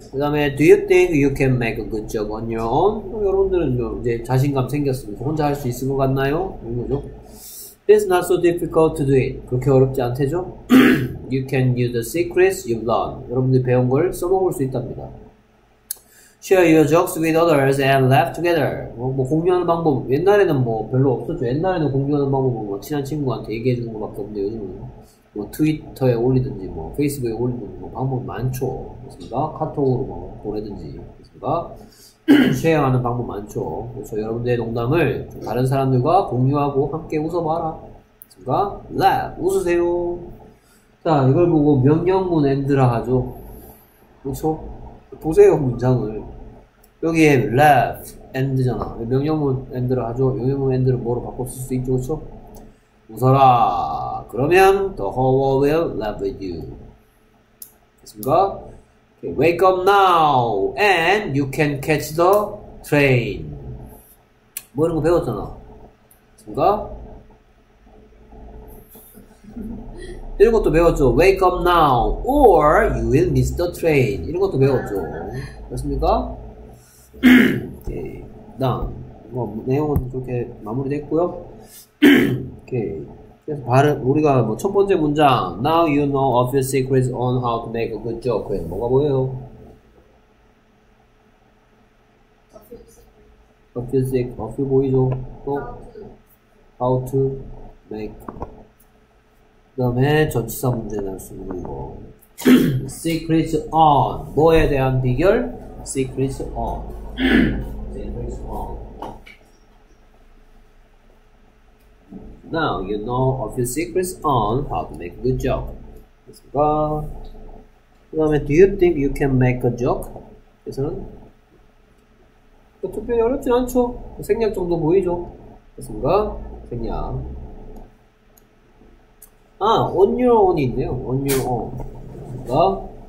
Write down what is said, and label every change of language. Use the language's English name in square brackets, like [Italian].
[Korean] 그 다음에 [English] Do you think you can make a good job on your own? [Korean] 여러분들은 이제 자신감 생겼습니다. 혼자 할 수 있을 것 같나요? 이런 거죠. [English] It's not so difficult to do it. [Korean] 그렇게 어렵지 않대죠? [English] You can use the secrets you've learned. [Korean] 여러분들이 배운 걸 써먹을 수 있답니다. [English] Share your jokes with others and laugh together. [Korean] 뭐 공유하는 방법 옛날에는 뭐 별로 없었죠. 옛날에는 공유하는 방법은 뭐 친한 친구한테 얘기해 주는 것밖에 없는데 요즘은 뭐 트위터에 올리든지 뭐 페이스북에 올리든지 뭐 방법 많죠. 그렇습니까? 카톡으로 뭐 보내든지 그렇습니까? 쉐어하는 방법 많죠. 그래서 여러분들의 농담을 다른 사람들과 공유하고 함께 웃어봐라. 그렇습니까? Laugh, 웃으세요. 자, 이걸 보고 명령문 엔드라 하죠. 그렇죠? 보세요 문장을 여기에 left end 잖아 명령문 end를 하죠. 명령문 end를 뭐로 바꿔 쓸 수 있죠. 그렇죠? 웃어라 그러면 [English] the whole world will laugh with you. [Korean] 됐습니까? [English] Okay, wake up now and you can catch the train. [Korean] 뭐 이런 거 배웠잖아. 됐습니까? 이런 것도 배웠죠. [English] Wake up now or you will miss the train. [Korean] 이런 것도 배웠죠. 맞습니까? 오케이. 다음. 뭐 내용은 그렇게 마무리됐고요. 오케이. 그래서 발음 우리가 뭐 첫 번째 문장 [English] Now you know of your secrets on how to make a good joke. [Korean] 그게 뭐가 보여요? [English] Of your secrets. [Korean] Of your 보이죠? 또 [English] how to make [Korean] 다음에 전치사 문제 날 수 있는 거. [English] Secrets on [Korean] 뭐에 대한 비결? [English] Secrets on. Secrets on. Now you know of your secrets on how to make a good joke. [Korean] 됐습니까? 그 다음에 [English] Do you think you can make a joke? [Korean] 그래서는 특별히 어렵진 않죠. 생략 정도 보이죠. 됐습니까? 생략. [English] 아, on your own이 있네요. On your own. [Korean] 됐습니까?